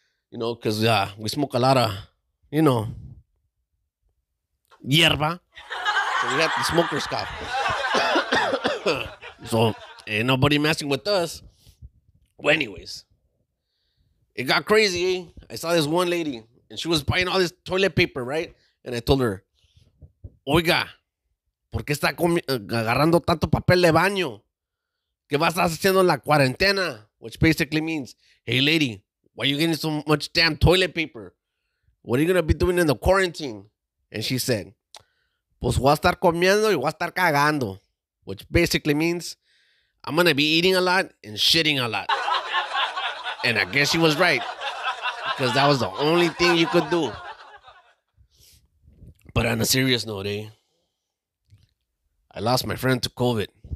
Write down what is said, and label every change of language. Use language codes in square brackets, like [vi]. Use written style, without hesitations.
[en] You know, because we smoke a lot of, you know, hierba. So we had the smoker's cough. So ain't nobody messing with us. Well, anyways, it got crazy, eh? I saw this one lady, and she was buying all this toilet paper, right? And I told her, oiga, ¿por qué está agarrando tanto papel de baño? [es] ¿Qué vas a hacer en la cuarentena? [en] Which basically means, hey, lady, why are you getting so much damn toilet paper? What are you going to be doing in the quarantine? And she said, pues voy a estar comiendo y voy a estar cagando. Which basically means, I'm going to be eating a lot and shitting a lot. And I guess she was right. Because that was the only thing you could do. But on a serious note, eh? I lost my friend to COVID.